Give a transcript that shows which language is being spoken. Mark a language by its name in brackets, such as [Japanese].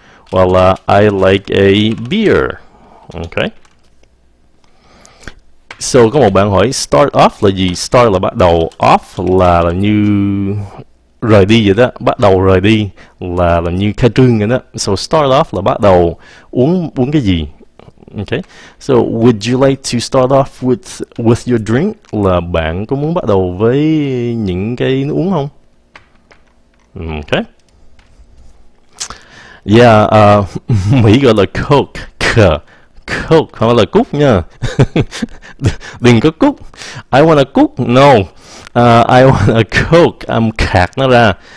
[Vietnamese] Hoặc là [English] I like a beer. Ok. [Vietnamese] So có một bạn hỏi start off là gì? Start là bắt đầu, off là như rời đi vậy đó, bắt đầu rời đi là như khai trương vậy đó. So start off là bắt đầu uống uống cái gì? Ok. [English] So would you like to start off with your drink? [Vietnamese] Là bạn có muốn bắt đầu với những cái nước uống không? Ok. Yeah, Mỹ gọi là Coke, Coke, không phải là cúc nha. Đừng có cúc. [English] I want a cúc, no. I want a Coke, I'm [Vietnamese] khạc nó ra.